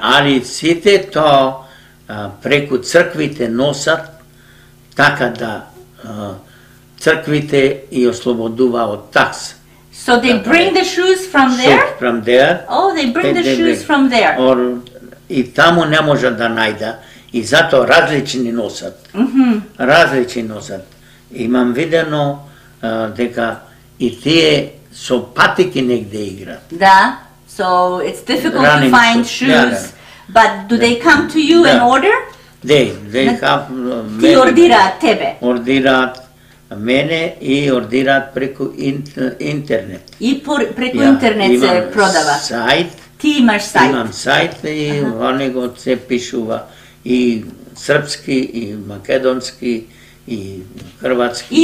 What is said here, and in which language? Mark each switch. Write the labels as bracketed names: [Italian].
[Macedonian] Али сите то преку црквите носат, така да црквите и ослободува од такс. [English] So they така, bring the shoes from there? Shoes from there. Oh, they bring the shoes from there. [Macedonian] Or, и таму не може да најда, и зато различни носат. Mm-hmm. Различни носат. Имам видено дека и тие со патики негде играт. Да. [English] So it's difficult to find shoes, but do they come to you in order? They have. [Macedonian] Ти ордираат тебе. Ордираат мене и ордираат преку интернет. И преку интернет се продава. Сайт. Ти имаш сайт. Имам сайт и во него се пишува и српски и македонски и хрватски.